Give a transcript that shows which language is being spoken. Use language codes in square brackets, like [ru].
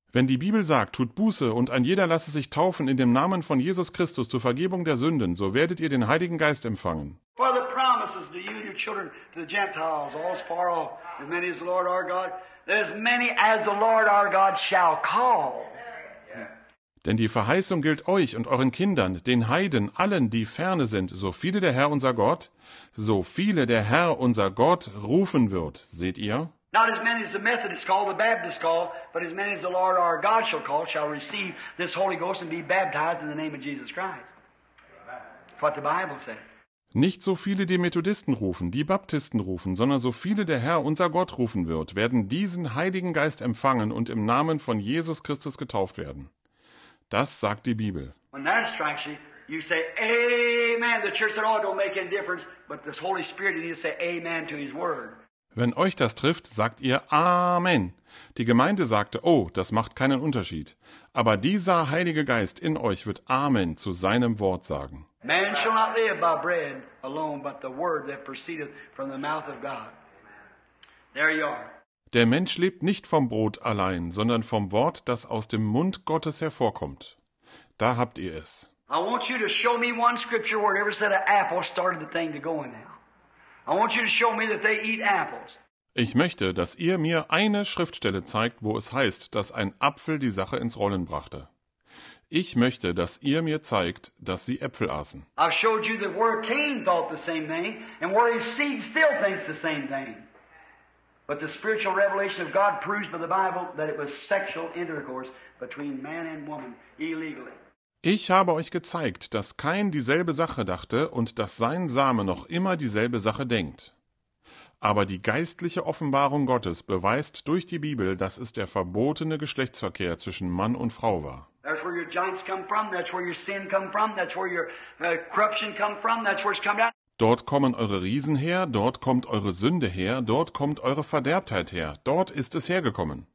[de] Wenn die Bibel sagt, tut Buße und ein jeder lasse sich taufen in dem Namen von Jesus Christus zur Vergebung der Sünden, so werdet ihr den Heiligen Geist empfangen. [en] For the promises to you and your children to the Gentiles, all is far off, as many as the Lord our God, as many as the Lord our God shall call. [de] Denn die Verheißung gilt euch und euren Kindern, den Heiden, allen, die ferne sind, so viele der Herr unser Gott, so viele der Herr unser Gott rufen wird, seht ihr? [en] Not as many as the Methodists call, the Baptists call, but as many as the Lord our God shall call, shall receive this Holy Ghost and be baptized in the name of Jesus Christ. That's what the Bible says. [de] Nicht so viele die Methodisten rufen, die Baptisten rufen, sondern so viele der Herr unser Gott rufen wird, werden diesen Heiligen Geist empfangen und im Namen von Jesus Christus getauft werden. Das sagt die Bibel. [en] When that strikes you, you say, Amen. The church at all don't make any difference, but this Holy Spirit needs to say Amen to His Word. [de] Wenn euch das trifft, sagt ihr Amen. Die Gemeinde sagte, oh, das macht keinen Unterschied. Aber dieser Heilige Geist in euch wird Amen zu seinem Wort sagen. [en] Man shall not live by bread alone, but the word that proceedeth from the mouth of God. There you are. [de] Der Mensch lebt nicht vom Brot allein, sondern vom Wort, das aus dem Mund Gottes hervorkommt. Da habt ihr es. [en] I want you to show me one scripture where it ever said an apple started the thing to go in there. I want you to show me that they eat apples. [de] Ich möchte, dass ihr mir eine Schriftstelle zeigt, wo es heißt, dass ein Apfel die Sache ins Rollen brachte. Ich möchte, dass ihr mir zeigt, dass sie Äpfel aßen. [en] I've showed you that where Cain thought the same thing and where his seed still thinks the same thing. But the spiritual revelation of God proves by the Bible that it was sexual intercourse between man and woman illegally. [de] Ich habe euch gezeigt, dass Cain dieselbe Sache dachte und dass sein Same noch immer dieselbe Sache denkt. Aber die geistliche Offenbarung Gottes beweist durch die Bibel, dass es der verbotene Geschlechtsverkehr zwischen Mann und Frau war. [en] That's where your giants come from, that's where your sin come from, that's where your corruption come from, that's where it's come down. [de] Dort kommen eure Riesen her, dort kommt eure Sünde her, dort kommt eure Verderbtheit her, dort ist es hergekommen.